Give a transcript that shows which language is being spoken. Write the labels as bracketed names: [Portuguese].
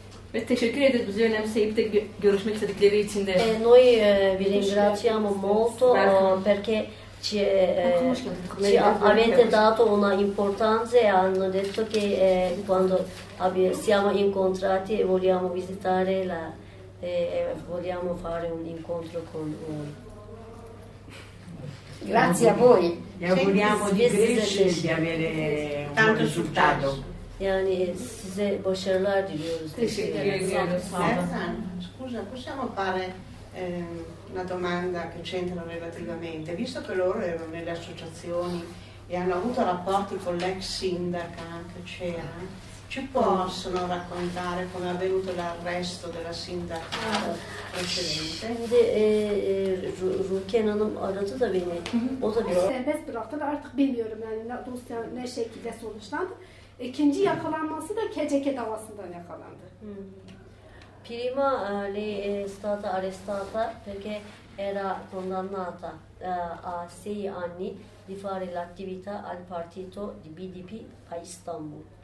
[Turkish] Ve teşekkür ederiz bizi önemseyip de görüşmek istedikleri için de. [Italian] Noi vi ringraziamo molto perché ci avete dato una importanza e hanno detto che quando siamo incontrati e vogliamo visitare la vogliamo fare un incontro con voi. Grazie a voi. Vi auguriamo di crescere e di avere tanto risultato. [Turkish] Yani size başarılar diliyoruz. Teşekkür ediyoruz. [Italian] Serhan, scusa, possiamo fare una domanda che c'entra relativamente? Visto che loro erano nelle associazioni e hanno avuto rapporti con l'ex sindaca che c'era, ci possono raccontare come è avvenuto l'arresto della sindaca precedente? [Turkish] Ruken Hanım aradı da beni. O da biliyor. Serbest bıraktı da artık bilmiyorum yani dosya ne şekilde sonuçlandı. İkinci yakalanması da KCK davasından yakalandı. [Italian] Prima lei è stata arrestata perché era condannata a 6 anni di fare l'attività al partito di BDP a Istanbul.